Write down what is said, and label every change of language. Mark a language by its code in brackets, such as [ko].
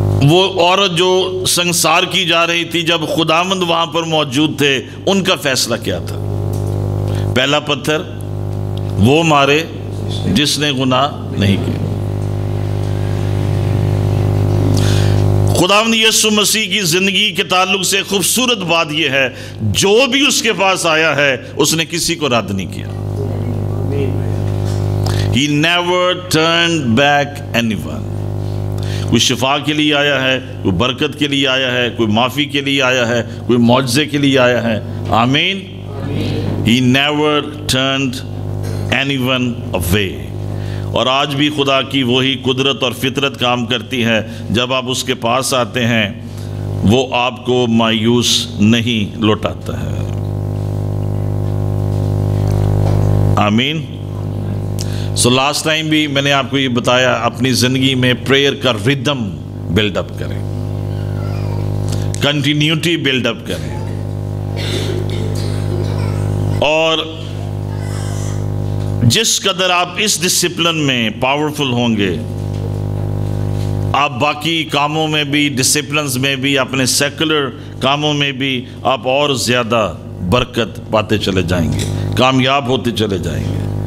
[ur] وہ عورت جو سنگسار کی جا رہی تھی جب خداوند وہاں پر موجود تھے ان کا فیصلہ کیا تھا؟ پہلا پتھر وہ مارے جس نے گناہ نہیں کیا. خداوند یسوع مسیح کی زندگی کے تعلق سے خوبصورت بات یہ ہے جو بھی اس کے پاس آیا ہے اس نے کسی کو رد نہیں کیا. [en] He never turned back anyone. [ur] کوئی شفا کے لیے آیا ہے, کوئی برکت کے لیے آیا ہے, کوئی معافی کے لیے آیا ہے, کوئی معجزے کے لیے آیا ہے. آمین. [en] He never turned anyone away. [ur] اور آج بھی خدا کی وہی قدرت اور فطرت کام کرتی ہے, جب آپ اس کے پاس آتے ہیں وہ آپ کو مایوس نہیں لوٹاتا ہے. آمین. سو [en] last time [ur] بھی میں نے آپ کو یہ بتایا, اپنی زندگی میں پریئر کا ریدم بلڈ اپ کریں, کنٹینیوٹی بلڈ اپ کریں, اور جس قدر آپ اس ڈسپلن میں پاورفل ہوں گے آپ باقی کاموں میں بھی, ڈسپلنز میں بھی, اپنے سیکولر کاموں میں بھی آپ اور زیادہ برکت پاتے چلے جائیں گے, کامیاب ہوتے چلے جائیں گے.